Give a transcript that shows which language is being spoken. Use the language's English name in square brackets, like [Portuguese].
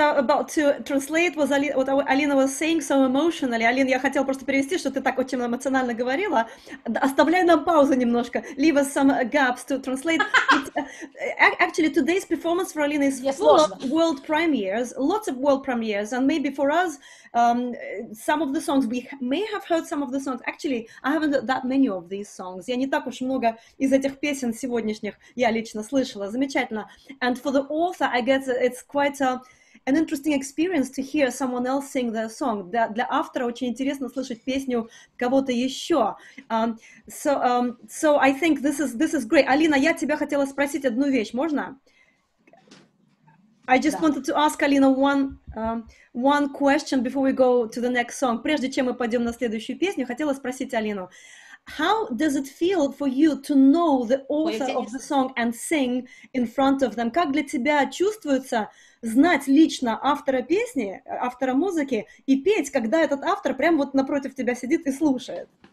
[English] I was just about to translate what Alina was saying so emotionally. [Russian] Alina, я хотела просто перевести, что ты так очень эмоционально говорила. Оставляй нам паузу немножко. [English] Leave us some gaps to translate. Actually, today's performance for Alina is full of world premieres, lots of world premieres, and maybe for us, some of the songs, we may have heard some of the songs. Actually, I haven't heard that many of these songs. [Russian] Я не так уж много из этих песен сегодняшних я лично слышала. Замечательно. [English] And for the author, I guess it's quite an interesting experience to hear someone else sing their song. [Russian] Для автора очень интересно слышать песню кого-то еще. [English] So I think this is great. [Russian] Алина, я тебя хотела спросить одну вещь. Можно? [English] I just wanted to ask Alina one question before we go to the next song. [Russian] Прежде чем мы пойдем на следующую песню, хотела спросить Алину. [English] How does it feel for you to know the author of the song and sing in front of them? [Russian] Как для тебя чувствуется знать лично автора песни, автора музыки, и петь, когда этот автор прямо вот напротив тебя сидит и слушает?